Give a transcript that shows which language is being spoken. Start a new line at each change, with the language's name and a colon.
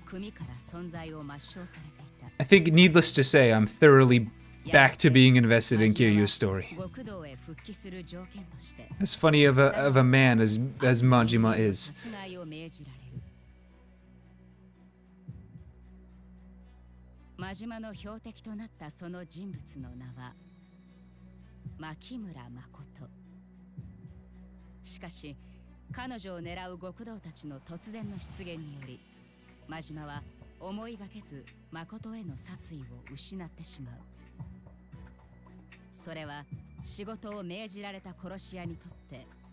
Japanese: 3年前、かつてカムロ町の極道だったマジマは、親の意向に逆らったことで組から存在を抹消されていた。
English: I think needless to say, I'm thoroughly back to being invested in Kiryu's story.
Japanese: 極道へ復帰する条件として、
English: As funny of a man as Majima is.
Japanese: 殺害を命じられる。マジマの標的となったその人物の名は、 牧村誠。しかし、彼女を狙う極道たちの突然の出現により、マジマは思いがけず誠への殺意を失ってしまう。それは仕事を命じられた殺し屋にとって